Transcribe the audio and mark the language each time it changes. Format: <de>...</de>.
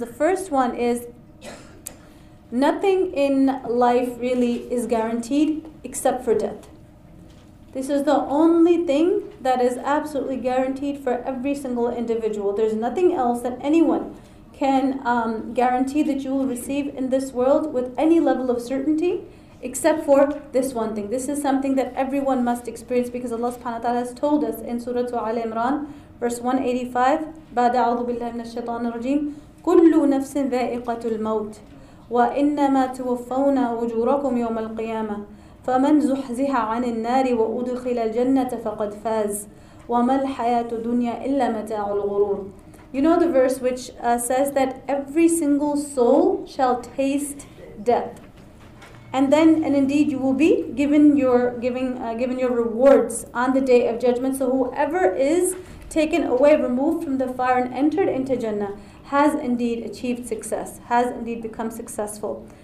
<en>The first one is nothing in life really is guaranteed except for death. This is the only thing that is absolutely guaranteed for every single individual. There's nothing else that anyone can guarantee that you will receive in this world with any level of certainty except for this one thing. This is something that everyone must experience because Allah subhanahu wa ta'ala has told us in Surah Al-Imran, verse 185,</en> <ar>بَعْدَ أَعُوذُ بِاللَّهِ مِنَ الشَّيْطَانِ الرَّجِيمِ كُلُّ نَفْسٍ ذَائِقَةُ الْمَوْتِ وَإِنَّمَا تُوَفَّوْنَا أُجُورَكُمْ يَوْمَ الْقِيَامَةِ فَمَنْ زُحْزِحَ عَنِ النَّارِ وَأُدْخِلَ الْجَنَّةَ فَقَدْ فَازْ وَمَا الْحَيَاةُ دُنْيَا إِلَّا مَتَاعُ الْغُرُورِ.</ar> <en>You know the verse which says that every single soul shall taste death. And then, and indeed, you will be given your rewards on the day of judgment. So whoever is taken away, removed from the fire and entered into Jannah has indeed achieved success, has indeed become successful.</en>